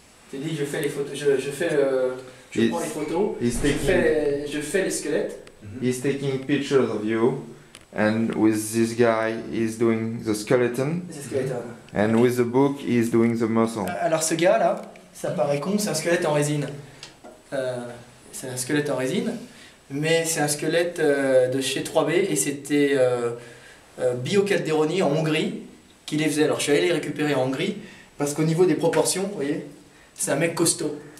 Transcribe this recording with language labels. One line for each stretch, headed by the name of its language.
French: Tu dis je fais les photos, prends les photos, je fais les squelettes. Mm-hmm.
English: He's taking pictures of you. And with this guy, he's doing the skeleton. And with the book, he's doing the muscle.
French: Alors ce gars-là, ça paraît con, c'est un squelette en résine. C'est un squelette en résine, mais c'est un squelette de chez 3B et c'était Bio Calderoni en Hongrie qui les faisait. Alors je suis allé les récupérer en Hongrie parce qu'au niveau des proportions, vous voyez, c'est un mec costaud.